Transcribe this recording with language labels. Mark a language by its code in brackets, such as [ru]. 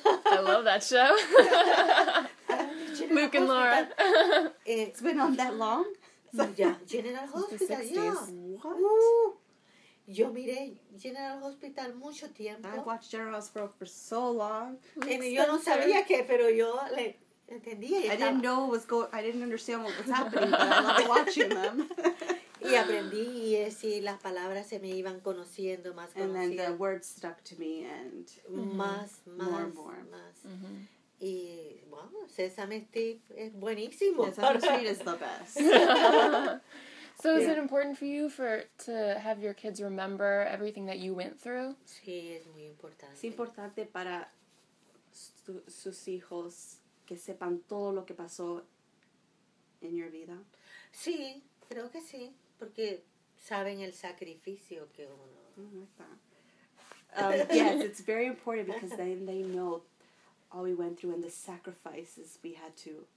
[en] I love that show. Luke and Laura. It's been on that long? Yeah, General Hospital, yeah. What? [es] Yo miré General Hospital mucho tiempo. [en] I watched General Hospital for so long. [es] Yo no sabía qué, pero yo le entendía. [en] I didn't know what was going on. I didn't understand what was happening, but I loved watching them. [es] Y aprendí y así las palabras se me iban conociendo más. [en] And then the words stuck to me and [es] más, [en] more [es] más, [en] and more. [es] Más. Mm-hmm. Y, wow, Sesame Street es buenísimo. [en] Sesame Street is the best. So yeah. Is it important for you to have your kids remember everything that you went through? [es] Sí, es muy importante. Es importante para sus hijos que sepan todo lo que pasó en [en] your [es] vida. Sí, creo que sí, porque saben el sacrificio que uno... [en] yes, it's very important because then they know all we went through and the sacrifices we had to